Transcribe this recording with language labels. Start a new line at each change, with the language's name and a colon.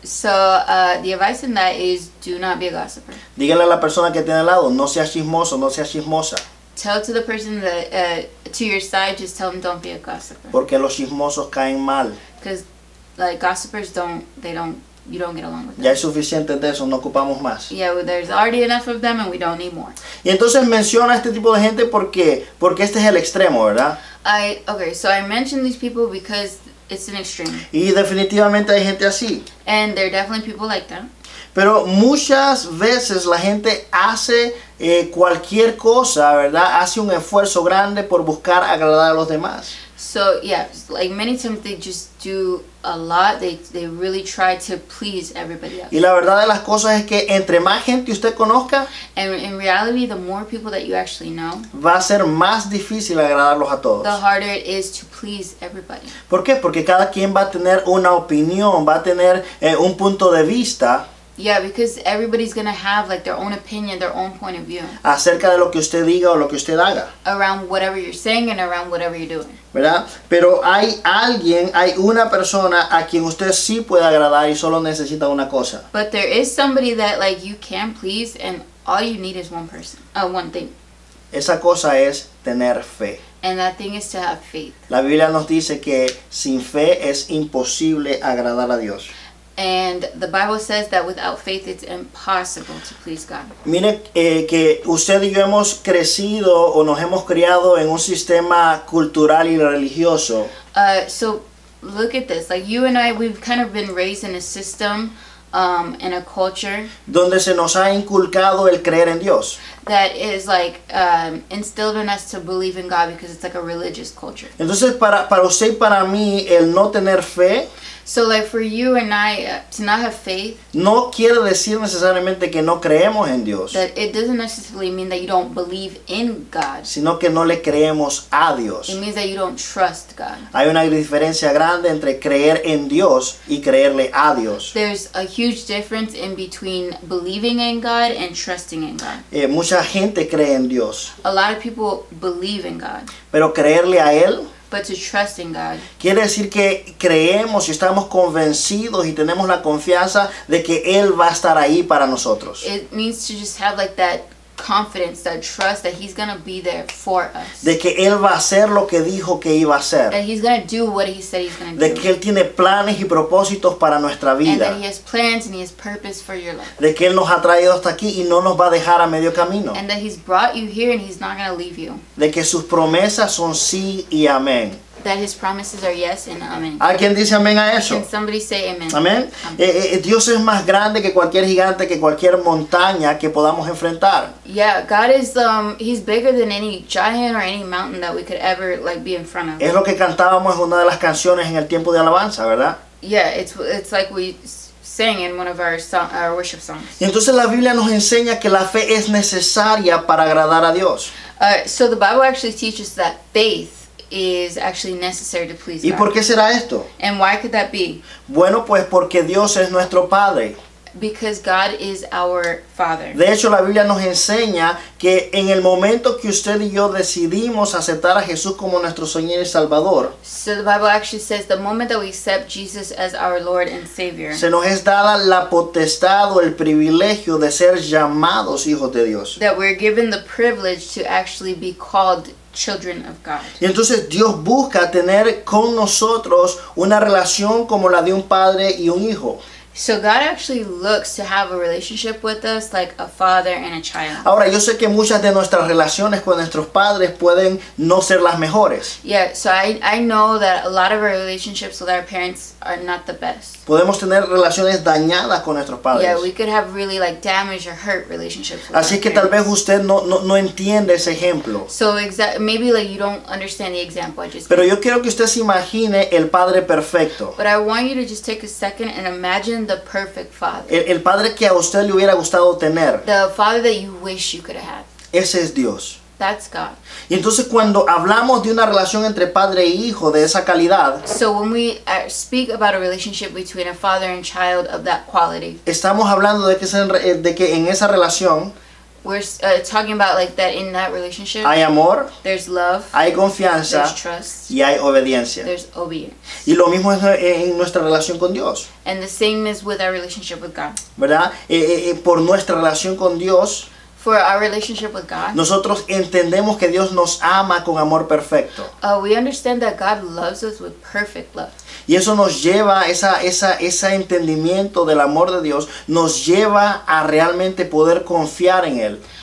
English: So the advice in that is do not be a gossiper.
Spanish: Dígale a la persona que tiene al lado, no sea chismoso, no sea chismosa.
English: Tell to the person that to your side, just tell them don't be a gossiper.
Spanish: Porque los chismosos caen mal.
English: Because like gossipers you don't get along with them.
Spanish: Ya es suficiente de eso, no ocupamos más.
English: Yeah, well, there's already enough of them and we don't need more.
Spanish: Y entonces menciona a este tipo de gente porque este es el extremo, ¿verdad?
English: I mention these people because it's an extreme.
Spanish: Y definitivamente hay gente así.
English: And there are definitely people like them.
Spanish: Pero muchas veces la gente hace cualquier cosa, ¿verdad? Hace un esfuerzo grande por buscar agradar a los demás.
English: So yeah, like many times they just do a lot. They really try to please everybody else.
Spanish: Y la verdad de las cosas es que entre más gente usted conozca,
English: and in reality, the more people that you actually know,
Spanish: va a ser más difícil agradarlos a todos.
English: The harder it is to please everybody.
Spanish: ¿Por qué? Porque cada quien va a tener una opinión, va a tener un punto de vista.
English: Yeah, because everybody's gonna have like their own opinion, their own point of view.
Spanish: Acerca de lo que usted diga o lo que usted haga.
English: Around whatever you're saying and around whatever you're doing.
Spanish: ¿Verdad? Pero hay alguien, hay una persona a quien usted sí puede agradar y solo necesita una cosa.
English: But there is somebody that like you can please and all you need is one person, one thing.
Spanish: Esa cosa es tener fe.
English: And that thing is to have faith.
Spanish: La Biblia nos dice que sin fe es imposible agradar a Dios.
English: And the Bible says that without faith it's impossible to please God.
Spanish: Mire que usted y yo hemos crecido o nos hemos criado en un sistema cultural y religioso.
English: So look at this. Like you and I, we've kind of been raised in a system, in a culture.
Spanish: Donde se nos ha inculcado el creer en Dios.
English: That is like instilled in us to believe in God because it's like a religious culture.
Spanish: Entonces para usted y para mí el no tener fe.
English: So like for you and I to not have faith.
Spanish: No quiere decir necesariamente que no creemos en Dios.
English: That it doesn't necessarily mean that you don't believe in God.
Spanish: Sino que no le creemos a Dios.
English: It means that you don't trust God.
Spanish: Hay una diferencia grande entre creer en Dios y creerle a Dios.
English: There's a huge difference in between believing in God and trusting in God.
Spanish: Mucha gente cree en Dios.
English: A lot of people believe in God.
Spanish: Pero creerle a él.
English: But to trust in God.
Spanish: Quiere decir que creemos y estamos convencidos y tenemos la confianza de que él va a estar ahí para nosotros.
English: It means to just have like that confidence, that trust that he's going to be there for us.
Spanish: De que él va a hacer lo que dijo que iba a hacer.
English: That he's going to do what he said he's going to do.
Spanish: De que él tiene planes y propósitos para nuestra vida.
English: And that he has plans and he has purpose for your life.
Spanish: De que él nos ha traído hasta aquí y no nos va a dejar a medio camino.
English: And that he's brought you here and he's not going to leave you.
Spanish: De que sus promesas son sí y amén.
English: That his promises are yes and amen.
Spanish: ¿Alguien dice amén a eso?
English: Can somebody say amen?
Spanish: Amén. Dios es más grande que cualquier gigante, que cualquier montaña que podamos enfrentar.
English: Yeah, God is he's bigger than any giant or any mountain that we could ever like be in front of.
Spanish: Es lo que cantábamos en una de las canciones en el tiempo de alabanza, ¿verdad?
English: Yeah, it's like we sang in one of our worship songs.
Spanish: Y entonces la Biblia nos enseña que la fe es necesaria para agradar a Dios.
English: So the Bible actually teaches that faith is actually necessary to please God.
Spanish: ¿Y por qué será esto?
English: And why could that be?
Spanish: Bueno, pues porque Dios es nuestro Padre.
English: Because God is our Father.
Spanish: De hecho, la Biblia nos enseña que en el momento que usted y yo decidimos aceptar a Jesús como nuestro Señor y Salvador,
English: so the Bible actually says the moment that we accept Jesus as our Lord and Savior,
Spanish: se nos es dada la potestad o el privilegio de ser llamados hijos de Dios.
English: That we're given the privilege to actually be called children of God.
Spanish: Y entonces Dios busca tener con nosotros una relación como la de un padre y un hijo.
English: So God actually looks to have a relationship with us like a father and a child.
Spanish: Ahora, yo sé que muchas de nuestras relaciones con nuestros padres pueden no ser las mejores.
English: Yeah, so I know that a lot of our relationships with our parents are not the best.
Spanish: Podemos tener relaciones dañadas con nuestros padres.
English: Yeah, we could have really like damaged or hurt relationships with our parents.
Spanish: Así que tal vez usted no entiende ese ejemplo.
English: So maybe like you don't understand the example I just gave.
Spanish: Pero yo quiero que usted se imagine el padre perfecto.
English: But I want you to just take a second and imagine the perfect father.
Spanish: El padre que a usted le hubiera gustado tener.
English: The father that you wish you could have.
Spanish: Ese es Dios.
English: That's God.
Spanish: Y entonces cuando hablamos de una relación entre padre e hijo de esa calidad,
English: so when we speak about a relationship between a father and child of that quality,
Spanish: estamos hablando de que en esa relación,
English: we're talking about like that in that relationship.
Spanish: Hay amor.
English: There's love.
Spanish: Hay confianza.
English: There's trust.
Spanish: Y hay obediencia.
English: There's obedience.
Spanish: Y lo mismo es en nuestra relación con Dios.
English: And the same is with our relationship with God.
Spanish: ¿Verdad? Por nuestra relación con Dios.
English: For our relationship with God.
Spanish: Nosotros entendemos que Dios nos ama con amor perfecto.
English: We understand that God loves us with perfect love.
Spanish: Y eso nos lleva, ese entendimiento del amor de Dios, nos lleva a realmente poder confiar en Él.